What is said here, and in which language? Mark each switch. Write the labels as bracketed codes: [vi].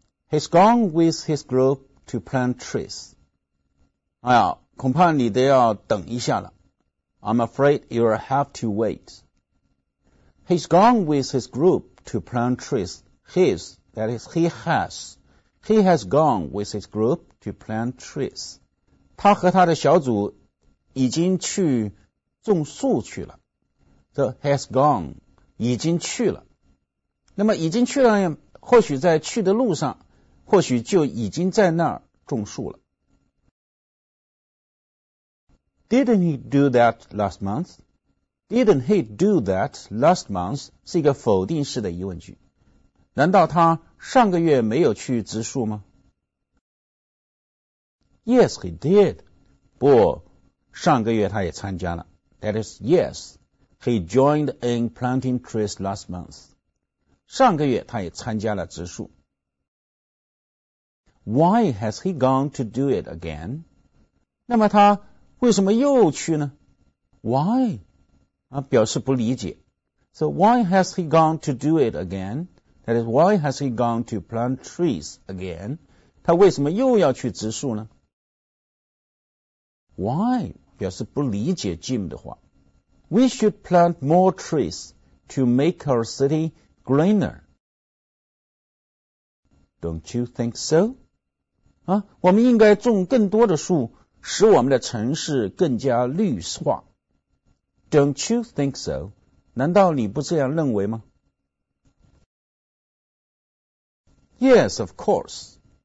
[en] He's gone with his group to plant trees. [zh] 哎呀，恐怕你得要等一下了。 [en] I'm afraid you'll have to wait. He's gone with his group to plant trees. His, that is, he has. He has gone with his group to plant trees. [zh] 他和他的小组已经去种树去了。 [en] So has gone, [zh] 已经去了。那么已经去了，或许在去的路上，或许就已经在那儿种树了。 [en] Didn't he do that last month? Didn't he do that last month? [zh] 是一个否定式的疑问句。难道他上个月没有去植树吗? [en] Yes, he did. [zh] 不,上个月他也参加了。 [en] That is, yes, he joined in planting trees last month. [zh] 上个月他也参加了植树。 [en] Why has he gone to do it again? [zh] 那么他为什么又去呢? [en] Why? [zh] 表示不理解。 [en] So why has he gone to do it again? That is, why has he gone to plant trees again? [zh] 他为什么又要去植树呢? [en] Why? [zh] 表示不理解 Jim 的话。 [en] We should plant more trees to make our city greener. Don't you think so? [zh] 我们应该种更多的树使我们的城市更加绿化。 [en] Don't you think so? [zh] 难道你不这样认为吗? [en] Yes, of course.